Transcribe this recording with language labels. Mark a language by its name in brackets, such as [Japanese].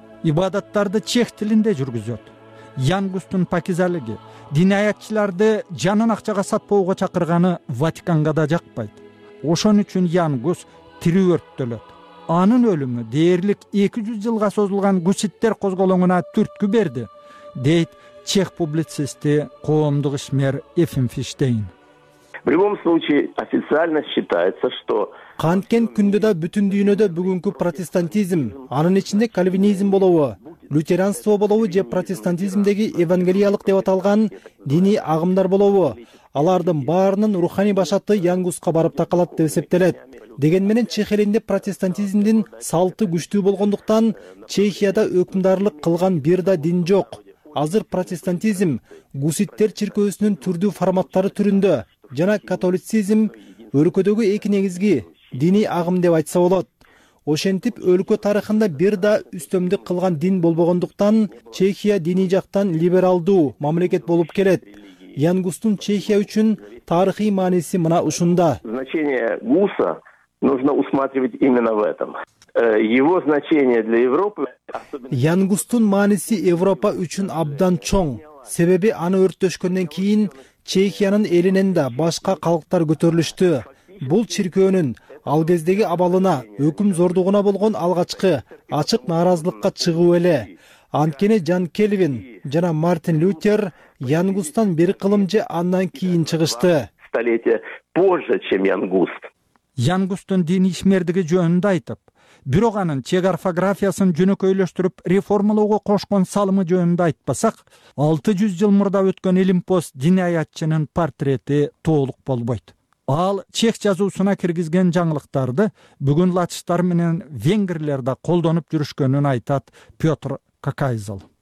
[Kyrgyz] Ибадаттарды чех тилинде жүргүзөт. Янгустун пакизалиги динаятчыларды жанын акчага сатпоого чакырганы Ватиканга да жакпайт. Ошон үчүн Янгус тирүү өрттөлөт. Анын өлүмү дээрлик 200 жылга созулган гуситтер козголоңуна түрткү берди. Дейт чех публицисти коомдук ишмер Ефим Фиштейн. [Russian] В любом случае официально считается, что [Kyrgyz] канткен күндө да бүтүн дүйнөдө бүгүнкү протестантизм, анын ичинде кальвинизм болобу, лютеранство болобу же протестантизмдеги евангелиялык деп аталган диний агымдар болобу, алардын баарынын руханий башаты Янгуска барып такалат деп эсептелет. Деген менен чех элинде протестантизмдин салты күчтүү болгондуктан Чехияда өкүмдарлык кылган бир да дин жок. Азыр протестантизм гуситтер чиркөөсүнүн түрдүү форматтары түрүндө жана католицизм өлкөдөгү эки негизги диний агым деп айтса болот. Ошентип өлкө тарыхында бир да үстөмдүк кылган дин болбогондуктан Чехия диний жактан либералдуу мамлекет болуп келет. Янгустун Чехия үчүн тарыхый мааниси мына ушунда. [Russian] Значение Гуса нужно усматривать именно в этом. Его значение для Европы [Kyrgyz] Янгустун мааниси Европа үчүн абдан чоң. Себеби аны өрттөшкөндөн кийин Чехиянын элинен да башка калктар көтөрүлүштү. Бул чиркөөнүн ал кездеги абалына, өкүм зордугуна болгон алгачкы ачык нааразылыкка чыгуу эле. Анткени Жан Кельвин жана Мартин Лютер Янгустан бир кылым же андан кийин чыгышты. [Russian] Столетие позже, чем Янгуст. [Kyrgyz] Янгустун диний ишмердиги жөнүндө айтып, бирок анын чек орфографиясын жөнөкөйлөштүрүп реформалоого кошкон салымы жөнүндө айтпасак, 600 жыл мурда өткөн Илимпос динаятчынын портрети толук болбойт. Ал чех жазуусуна киргизген жаңылыктарды бүгүн латыштар менен венгрлер да колдонуп жүрүшкөнүн айтат Петр Какайзал.